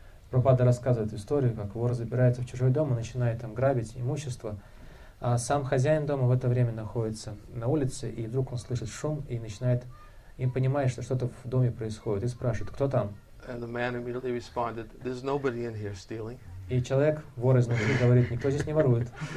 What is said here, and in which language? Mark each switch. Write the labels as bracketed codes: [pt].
[ru] Прабхупада рассказывает историю, как вор забирается в чужой дом и начинает там грабить имущество. А сам хозяин дома в это время находится на улице, и вдруг он слышит шум и начинает и понимаешь, что что-то в доме происходит, и спрашивает, кто там? [en] And the man immediately responded, "There's nobody in here stealing." [ru] И человек, вор изнутри, говорит, никто здесь не ворует.